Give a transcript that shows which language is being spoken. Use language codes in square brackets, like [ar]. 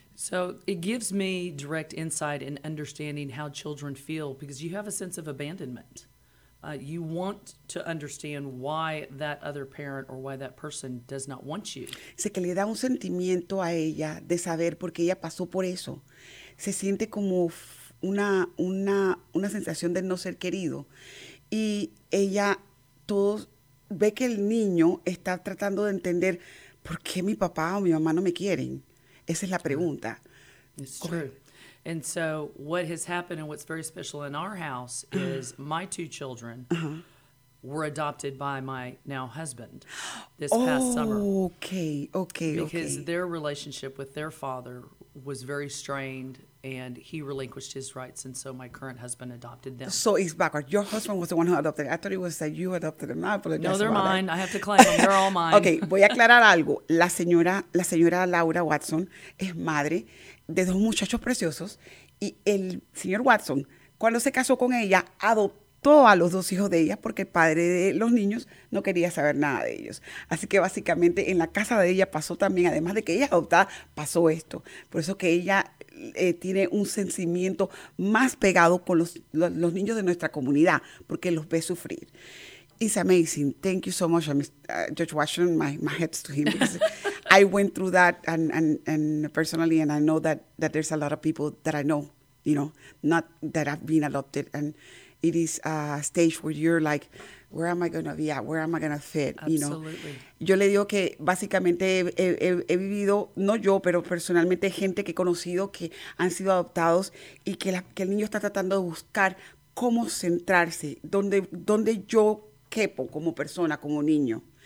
[en] So, it gives me direct insight and understanding how children feel because you have a sense of abandonment. You want to understand why that other parent or why that person does not want you. [es] Sé que le da un sentimiento a ella de saber por qué ella pasó por eso. Se siente como una sensación de no ser querido. Y ella todo ve que el niño está tratando de entender por qué mi papá o mi mamá no me quieren. Esa es la pregunta. [en] It's true. And so what has happened and what's very special in our house is my two children were adopted by my now husband this past summer. Okay. Because their relationship with their father was very strained. And he relinquished his rights, and so my current husband adopted them. So it's backward. Your husband was the one who adopted them. I thought it was that you adopted them. No, they're mine. That. I have to claim them. They're all mine. [es] Okay, voy a aclarar algo. La señora Laura Watson es madre de dos muchachos preciosos, y el señor Watson, cuando se casó con ella, adoptó a los dos hijos de ella porque el padre de los niños no quería saber nada de ellos. Así que básicamente en la casa de ella pasó también, además de que ella adoptada, pasó esto. Por eso que ella... tiene un sentimiento más pegado con los niños de nuestra comunidad porque los ve sufrir. [en] It's amazing. Thank you so much, Judge Washington. My hats to him. I went through that and personally, and I know that there's a lot of people that I know, you know, not that have been adopted, and it is a stage where you're like, where am I going to be at? Where am I going to fit? Absolutely. You know? [es] Yo le digo que básicamente he vivido, no yo, pero personalmente gente que he conocido que han sido adoptados y que el niño está tratando de buscar cómo centrarse, dónde yo quepo como persona, como niño.